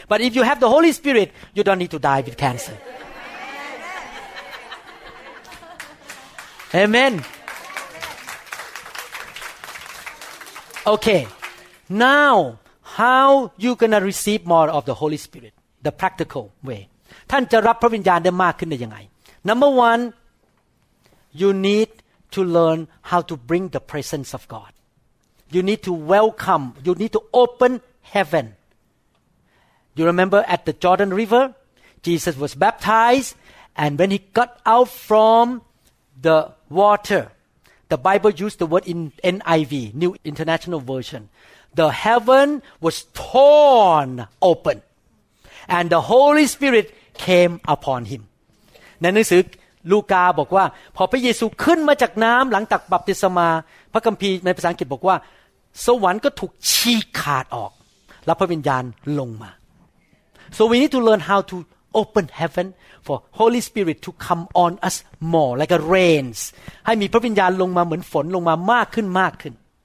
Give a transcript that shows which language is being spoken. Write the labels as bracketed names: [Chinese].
[English] But if you have the Holy Spirit, you don't need to die with cancer. Amen. Okay. Now, how you gonna receive more of the Holy Spirit? The practical way. [Thai] ท่านจะรับพระวิญญาณได้มากขึ้นได้ยังไง? [English] Number one, you need to learn how to bring the presence of God. You need to welcome, you need to open heaven. You remember at the Jordan River, Jesus was baptized, and when he got out from the water, the Bible used the word in NIV, New International Version. The heaven was torn open, and the Holy Spirit came upon him. [Thai] ในหนังสือลูกาบอกว่าพอพระเยซูขึ้นมาจากน้ำหลังจากบัพติศมาพระคัมภีร์ในภาษาอังกฤษบอกว่าสวรรค์ก็ถูกฉีกขาดออกและพระวิญญาณลงมา [English] So we need to learn how to open heaven for Holy Spirit to come on us more like a rains [Thai] ให้มีพระวิญญาณลงมาเหมือนฝนลงมามากขึ้นมากขึ้น